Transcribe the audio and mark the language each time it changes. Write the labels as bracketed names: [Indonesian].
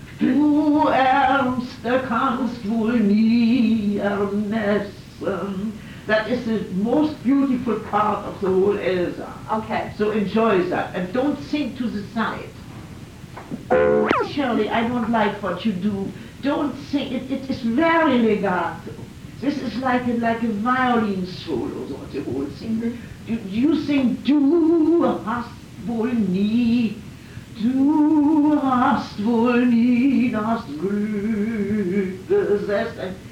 [German] Du Ärmste kannst wohl nie ermessen. [English] That is the most beautiful part of the whole Elsa. Okay. So enjoy that and don't sing to the side. Shirley, I don't like what you do. Don't say it. It is very legato. This is like a violin solo, what you all sing. You sing, [German] du hast wohl nie, du hast wohl nie das Glück besessen.